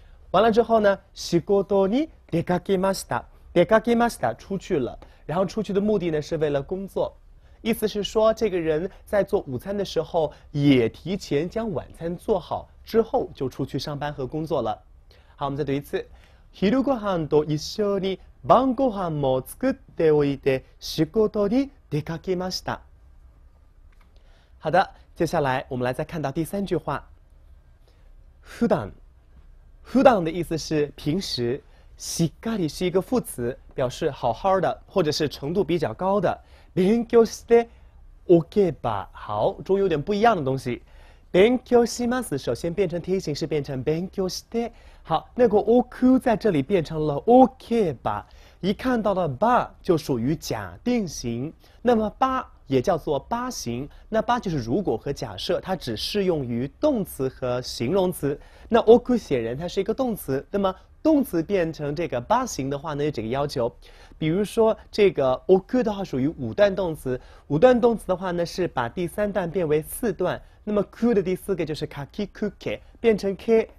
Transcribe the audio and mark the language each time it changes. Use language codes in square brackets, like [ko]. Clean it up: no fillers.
[zh] 完了之后呢， [ja] 仕事に出かけました，出かけました [zh] 出去了，然后出去的目的呢是为了工作，意思是说这个人在做午餐的时候也提前将晚餐做好，之后就出去上班和工作了。好，我们再读一次。 [ja] 昼ごはんと一緒に晩ごはんも作っておいて仕事に出かけました。 [zh] 好的，接下来我们来再看到第三句话。 [ja] 普段， [zh] 普段的意思是平时。しっかり是一个副词，表示好好的或者是程度比较高的。 [ja] 勉強しておけば， [zh] 好，终于有点不一样的东西。勉強します，首先变成贴形是变成勉強して。好，那个おく在这里变成了おけば，一看到了ば就属于假定型，那么ば也叫做ば型，那ば就是如果和假设，它只适用于动词和形容词。那おく显然它是一个动词，那么动词变成这个ば型的话呢，有几个要求，比如说这个おく的话属于五段动词，五段动词的话呢是把第三段变为四段，那么く的第四个就是かきくけ，变成け。